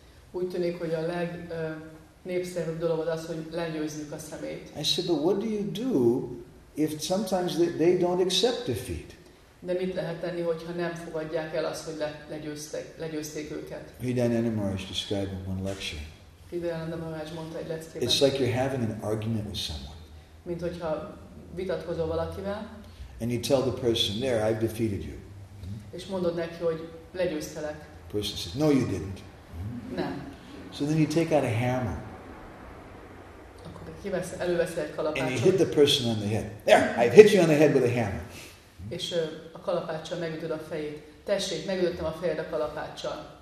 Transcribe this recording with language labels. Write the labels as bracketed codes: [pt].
[hu] Úgy tűnik, hogy a legnépszerűbb dolog az, hogy legyőzzük a szemét. [en] I said, but what do you do if sometimes they don't accept defeat? [hu] De mit lehet tenni, hogyha nem fogadják el azt, hogy legyőzték őket? [en] Hridayananda Maharaj described in one lecture. [hu] Hridayananda Maharaj mondta egy leckében. [en] It's like you're having an argument with someone. [hu] Mint hogyha vitatkozol valakivel. [en] And you tell the person, there, I've defeated you. [hu] És mondod neki, hogy legyőztelek. [en] The person says, no, you didn't. [hu] Nem. [en] So then you take out a hammer. [hu] Akkor előveszel egy kalapácsot. [en] And you hit the person on the head. There, I've hit you on the head with a hammer. [hu] És a kalapáccsal megütöd a fejét. Tessék, megütöttem a fejed a kalapáccsal.